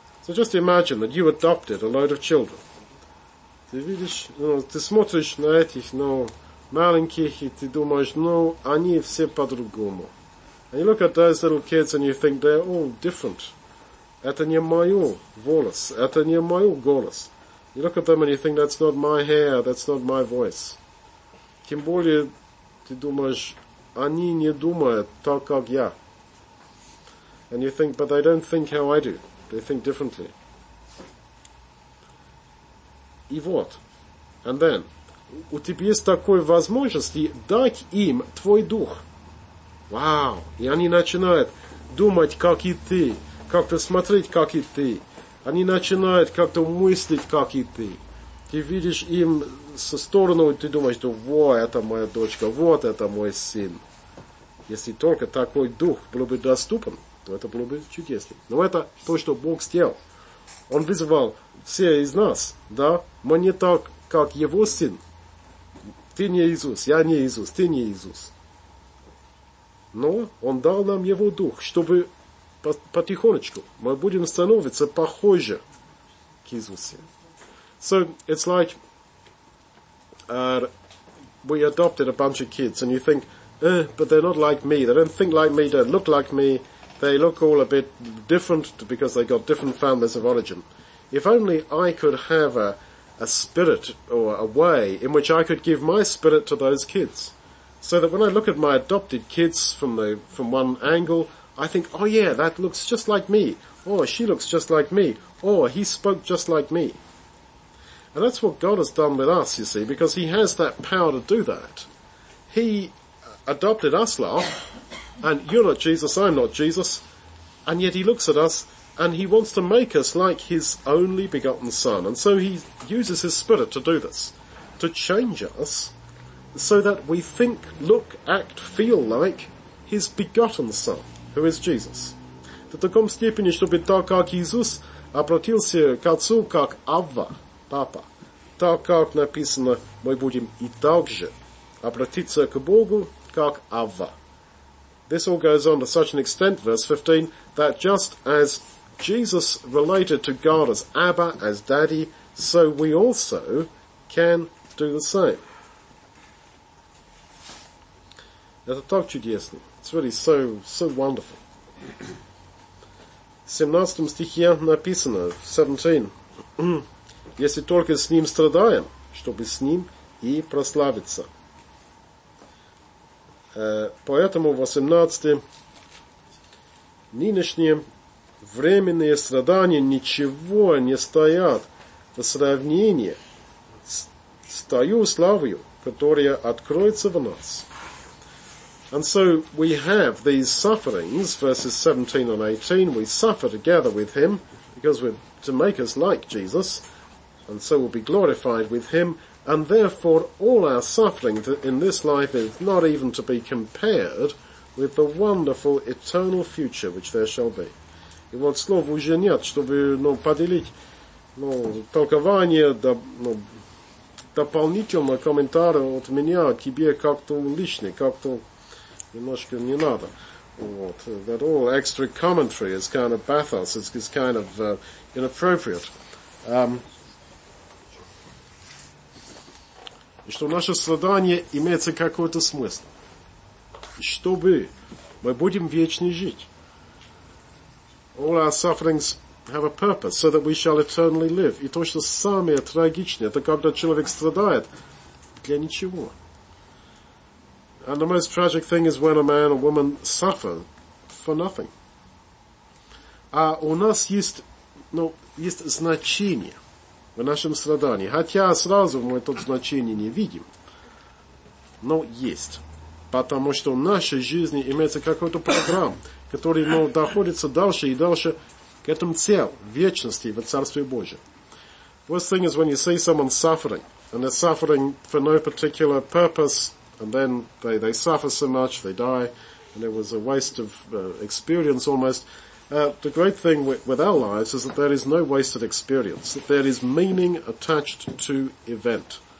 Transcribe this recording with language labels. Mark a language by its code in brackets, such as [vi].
[en] So just imagine that you adopted a load of children. [ru] Ты видишь, ну, ты смотришь на этих, ну, маленьких, и ты думаешь, ну, они все по-другому. [en] And you look at those little kids and you think they're all different. [ru] Это не мой голос. Это не мой голос. [en] You look at them and you think, that's not my hair, that's not my voice. [ru] Тем более, ты думаешь, они не думают так, как я. [en] And you think, but they don't think how I do. They think differently. [ru] И вот. [en] And then, [ru] у тебя есть такой возможности дать им твой дух. Вау! И они начинают думать, как и ты. Как-то смотреть, как и ты. Они начинают как-то мыслить, как и ты. Ты видишь им со стороны, и ты думаешь, что вот это моя дочка, вот это мой сын. Если только такой дух был бы доступен, то это было бы чудесно. Но это то, что Бог сделал. Он вызывал все из нас, да? Мы не так, как его сын. Ты не Иисус, я не Иисус, ты не Иисус. Но он дал нам его дух, чтобы потихонечку мы будем становиться похожи к Иисусу. [en] So, it's like we adopted a bunch of kids and you think, but they're not like me. They don't think like me, don't look like me. They look all a bit different because they got different families of origin. If only I could have a spirit or a way in which I could give my spirit to those kids. So that when I look at my adopted kids from one angle, I think, oh yeah, that looks just like me. Oh, she looks just like me. Oh, he spoke just like me. And that's what God has done with us, you see, because he has that power to do that. He adopted us, love, and you're not Jesus, I'm not Jesus, and yet he looks at us, and he wants to make us like his only begotten son. And so he uses his spirit to do this, to change us, so that we think, look, act, feel like his begotten son. Who is Jesus? [ru] В таком степени, чтобы так, как Иисус обратился к Отцу, как Авва, Папа, так, как написано, мы будем и также обратиться к Богу, как Авва. [en] This all goes on to such an extent, verse 15, that just as Jesus related to God as Abba, as Daddy, so we also can do the same. [ru] Это так чудесно. [en] It's really so wonderful. [ru] 17 стихе написано, 17, если только с ним страдаем, чтобы с ним и прославиться. Поэтому 18, нынешние временные страдания ничего не стоят в сравнении с той славою, которая откроется в нас. [en] And so we have these sufferings, verses 17 and 18, we suffer together with him, because we're to make us like Jesus, and so we'll be glorified with him, and therefore all our suffering in this life is not even to be compared with the wonderful eternal future which there shall be. [ru] И вот слово уже нет, чтобы, ну, поделить, ну, толкование, да, ну, дополнительный комментарий от меня тебе как-то лишний, как-то немножко не надо. Вот. [en] That all extra commentary is kind of bathos, it's kind of inappropriate. [ru] Что наше страдание имеется какой-то смысл. Чтобы мы будем вечно жить. [en] All our sufferings have a purpose, so that we shall eternally live. [ru] И то, что самое трагичное, это когда человек страдает для ничего. [en] And the most tragic thing is when a man or woman suffer for nothing. [ru] А у нас есть, ну, есть значение в нашем страдании. Хотя сразу мы тут значение не видим. Но есть. Потому что в нашей жизни имеется какой-то программ, который, ну, доходится дальше и дальше к этому цели вечности в Царстве Божьем. [en] First thing is when you see someone suffering, and they're suffering for no particular purpose, and then they suffer so much, they die, and it was a waste of experience almost. The great thing with our lives is that there is no wasted experience, that there is meaning attached to event.